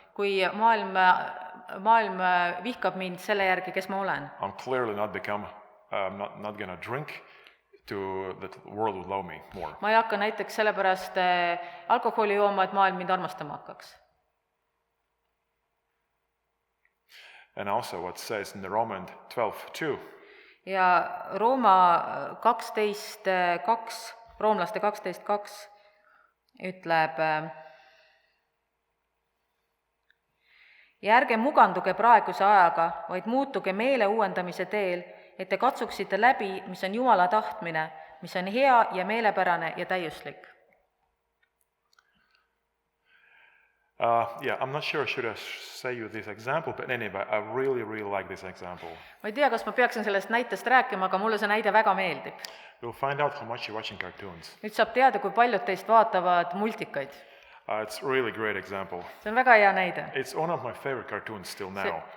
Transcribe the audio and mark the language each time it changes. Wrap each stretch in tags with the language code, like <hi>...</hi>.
<et>Kui maailm vihkab mind selle järgi, kes ma olen.</et> <en>I'm clearly not gonna drink to that world would love me more.</en> <et>Ma ei hakka näiteks sellepärast alkoholi jooma, et maailm mind armastama hakkaks.</et> <en>And also what says in the Romans 12:2.</en> <et>Ja Rooma 12:2, roomlaste 12:2 ütleb järge muganduge praeguse ajaga, vaid muutuge meele uuendamise teel, et te katsuksite läbi, mis on Jumala tahtmine, mis on hea ja meelepärane ja täiuslik.</et> <en>Yeah, I'm not sure should I say you this example, but anyway, I really, really like this example.</en> <et>Ma ei tea, kas ma peaksin sellest näitest rääkima, aga mulle see näide väga meeldib.</et> <en>You'll find out how much you're watching cartoons.</en> <et>Nüüd saab teada, kui paljud teist vaatavad multikaid.</et> <en>It's a really great example.</en> <et>See on väga hea näide.</et> <en>It's one of my favorite cartoons still now.</en>